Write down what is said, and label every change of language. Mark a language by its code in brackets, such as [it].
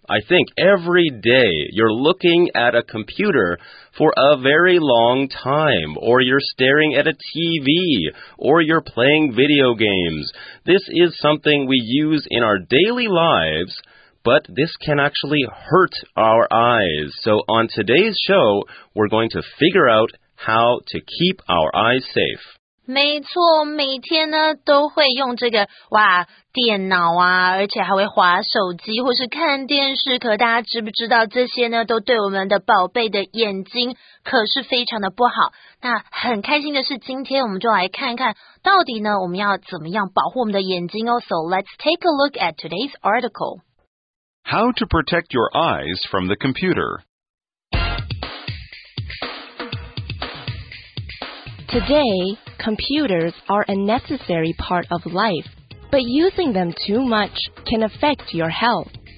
[en] I think every day you're looking at a computer for a very long time, or you're staring at a TV, or you're playing video games. This is something we use in our daily lives. But this can actually hurt our eyes. So on today's show, we're going to figure out how to keep our eyes safe. [zh] 没错，每天呢都会用这个哇电脑啊，而且还会滑手机或是看电视。可大家知不知道这些呢都对我们的宝贝的眼睛可是非常的不好。那很开心的是，今天我们就来看看到底呢我们要怎么样保护我们的眼睛哦。 [en] So let's take a look at today's article. How to protect your eyes from the computer. Today, computers are a necessary part of life, but using them too much can affect your health.